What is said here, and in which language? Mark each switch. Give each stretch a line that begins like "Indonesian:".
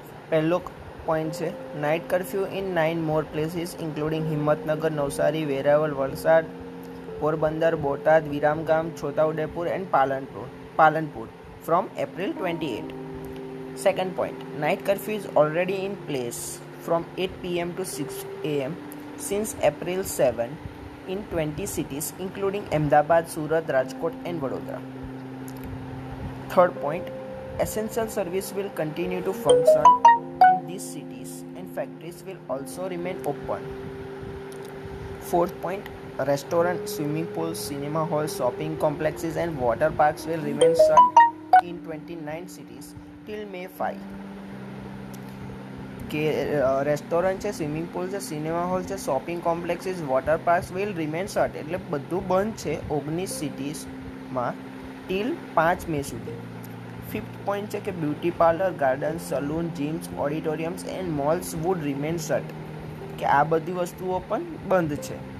Gujarati: પહેલો પોઈન્ટ છે,
English: Night curfew in 9 more places including Himmatnagar, Navsari, Veraval, Valsad, Porbandar, Botad, Viramgam, Chhotaudepur and Palanpur from April 28. Second point, night curfew is already in place from 8 PM to 6 AM since April 7 in 20 cities including Ahmedabad, Surat, Rajkot and Vadodara. Third point, essential service will continue to function in these cities and factories will also remain open. Fourth point, restaurants, swimming pools, cinema halls, shopping complexes and water parks will remain shut in 29 cities till May 5.
Gujarati: કે restaurant છે, swimming pool છે, cinema hall છે, shopping complexes, water parks
English: will remain shut,
Gujarati: એટલે બધું બંધ છે 19 સિટીઝમાં teal 5 મે સુધી. Fifth point છે કે beauty parlour, garden, salon, gyms, ઓડિટોરિયમ્સ and moles
English: would remain shut,
Gujarati: કે આ બધી વસ્તુઓ પણ બંધ છે.